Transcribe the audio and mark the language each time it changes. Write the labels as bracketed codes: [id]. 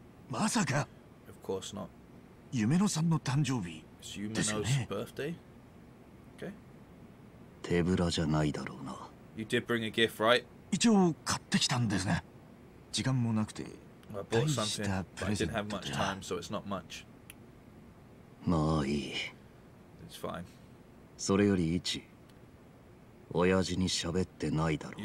[ja] まさか。 [en] Of course not. [ja] ユメノさんの誕生日。 [en] It's Yumeno's birthday. Okay. [ja] 手ぶらじゃないだろうな。 [en] You did bring a gift, right? [ja] 一応買ってきたんですね。時間もなくて。 [en] I bought something, but I didn't have much time, so it's not much. [ja] まあいい。 [en] It's fine. [ja] それより一、親父に喋ってないだろう。